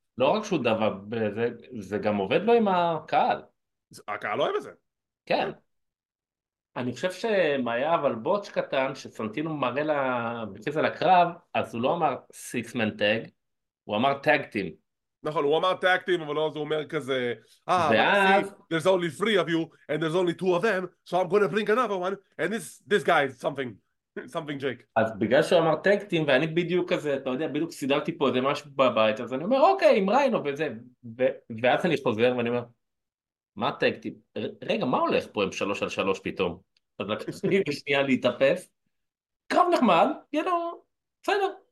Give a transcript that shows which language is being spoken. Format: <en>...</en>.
<he>לא רק שהוא דבק בזה, זה גם עובד לו עם הקהל. הקהל אוהב את זה. כן. אני חושב שמאיה אבל בוטש קטן, שסנטינו מראה לה, בקיס על הקרב, אז הוא לא אמר סיקס מן טאג, הוא אמר טאג טים. נכון, הוא אמר טאג טים, אבל לא, זה אומר כזה, ואז...</he> <en>there's only three of you, and there's only two of them, so I'm going to bring another one, and this guy is something. Something Jake.</en> <he>אז בגלל שהוא אמר טאג טים, ואני בדיוק כזה, אתה יודע, בדיוק סידרתי פה איזה משהו בבית, אז אני אומר, אוקיי, עם ריינו וזה, ואז אני חוזר ואני אומר, מה טאג טים? רגע, מה הולך פה עם שלוש על שלוש פתאום? אז לקחתי שנייה להתאפס, קרב נחמד, ידעו, בסדר.</he>